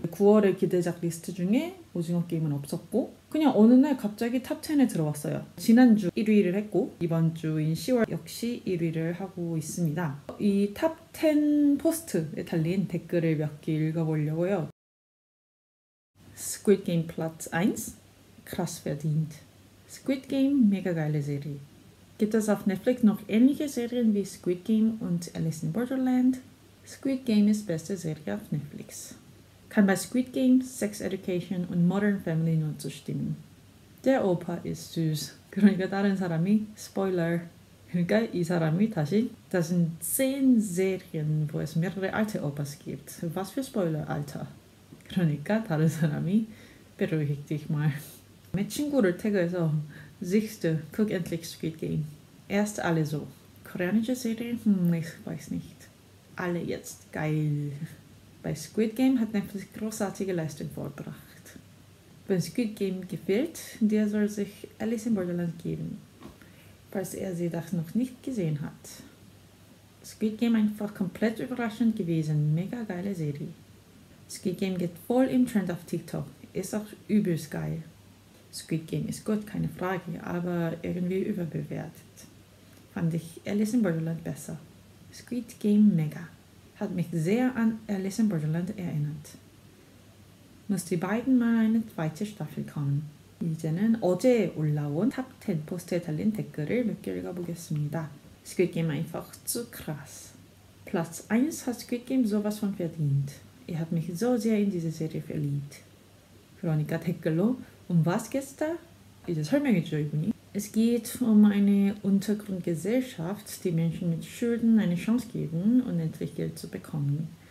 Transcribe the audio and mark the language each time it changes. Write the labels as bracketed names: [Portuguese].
[Korean] 9월의 기대작 리스트 중에 오징어 게임은 없었고, 그냥 어느 날 갑자기 탑10에 들어왔어요. 지난주 1위를 했고, 이번 주인 10월 역시 1위를 하고 있습니다. 이 탑10 포스트에 달린 댓글을 몇개 읽어보려고요. [German] Squid Game Platz 1, krass verdient. Squid Game, mega geile Serie. Gibt es auf Netflix noch ähnliche Serien wie Squid Game und Alice in Borderland? Squid Game ist beste Serie auf Netflix. Kann bei Squid Game Sex Education und Modern Family nur zustimmen. Der Opa ist süß. [Korean] 그러니까 다른 사람이, Spoiler. 그러니까 이 사람이 다시, [German] das sind 10 Serien, wo es mehrere alte Opas gibt. Was für Spoiler, Alter? [Korean] 그러니까 다른 사람이 [German] beruhig dich mal. [Korean] 내 친구를 태그해서 [German] siehst du, guck endlich Squid Game. Erst alle so. Koreanische Serie? Ich weiß nicht. Alle jetzt. Geil. Bei Squid Game hat Netflix großartige Leistung vorgebracht. Wenn Squid Game gefällt, der soll sich Alice in Borderland geben, falls er sie das noch nicht gesehen hat. Squid Game einfach komplett überraschend gewesen. Mega geile Serie. Squid Game geht voll im Trend auf TikTok. Ist auch übelst geil. Squid Game ist gut, keine Frage, aber irgendwie überbewertet. Fand ich Alice in Borderland besser. Squid Game mega. Hat mich sehr an Alice in Borderland erinnert. Muss die beiden mal eine zweite Staffel kommen. [Korean] 이제는 어제 올라온 Top 10 포스트에 달린 댓글을 몇개 읽어보겠습니다. [German] Squid Game einfach zu krass. Platz 1 hat Squid Game sowas von verdient. Ich habe mich so sehr in diese Serie verliebt. [Korean] 그러니까 댓글로, [German] um was geht's da? [Korean] 이제 설명해줘, 이분이. [German] Es geht um eine Untergrundgesellschaft, die Menschen mit Schulden eine Chance geben, um endlich Geld zu bekommen.